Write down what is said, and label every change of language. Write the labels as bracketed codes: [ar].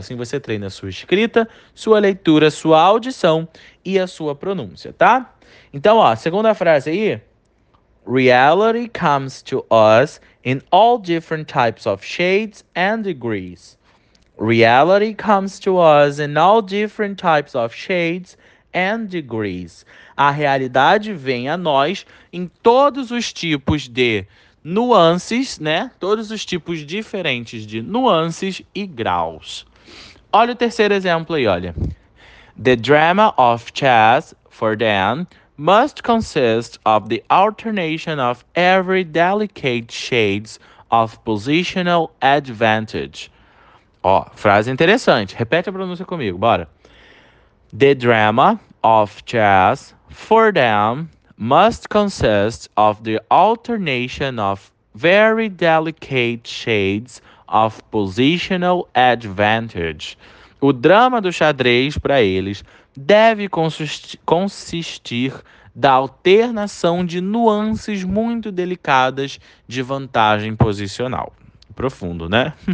[pt] Assim você treina a sua escrita, sua leitura, sua audição e a sua pronúncia, tá? Então, ó, segunda frase aí. [en] Reality comes to us in all different types of shades and degrees. Reality comes to us in all different types of shades and degrees. [pt] A realidade vem a nós em todos os tipos de nuances, né? Todos os tipos diferentes de nuances e graus. Olha o terceiro exemplo aí, olha. [en] The drama of chess for Dan must consist of the alternation of every delicate shades of positional advantage. [pt] Ó, frase interessante. Repete a pronúncia comigo, bora. [en] The drama of chess for Dan must consist of the alternation of very delicate shades of positional advantage. [pt] O drama do xadrez para eles deve consistir da alternação de nuances muito delicadas de vantagem posicional. Profundo, né?